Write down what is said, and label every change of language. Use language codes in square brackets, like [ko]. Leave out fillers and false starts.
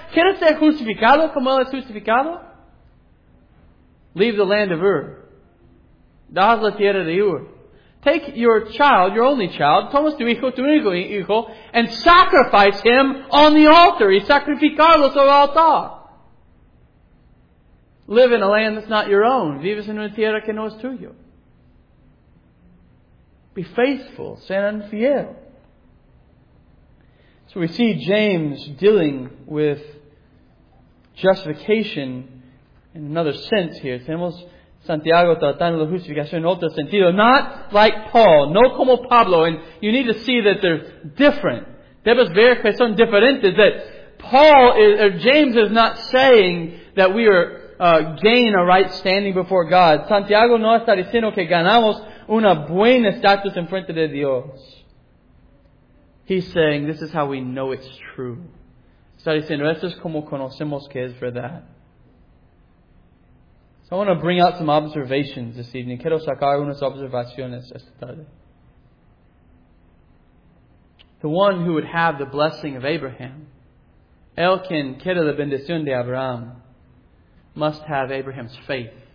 [es] ¿Quieres ser justificado como él es justificado? [en] Leave the land of Ur. [es] Dejas la tierra de Ur. [en] Take your child, your only child, [es] tomas tu único hijo, [en] and sacrifice him on the altar. [es] Y sacrificarlo sobre el altar. [en] Live in a land that's not your own. [es] Vives en una tierra que no es tuyo. [en] Be faithful. [es] Sean fiel. [en] So we see James dealing with justification in another sense here. [es] Tenemos Santiago tratando la justificación en otro sentido. [en] Not like Paul. [es] No como Pablo. [en] And you need to see that they're different. [es] Debes ver que son diferentes. [en] That Paul, is, or James is not saying that we are gain a right standing before God. [es] Santiago no está diciendo que ganamos una buena estatus en frente de Dios. [en] He's saying this is how we know it's true. [es] Está diciendo, esto es como conocemos que es verdad. [en] So I want to bring out some observations this evening. [es] Quiero sacar unas observaciones esta tarde. [en] The one who would have the blessing of Abraham, [es] él quien quiere la bendición de Abraham, [en] must have Abraham's faith.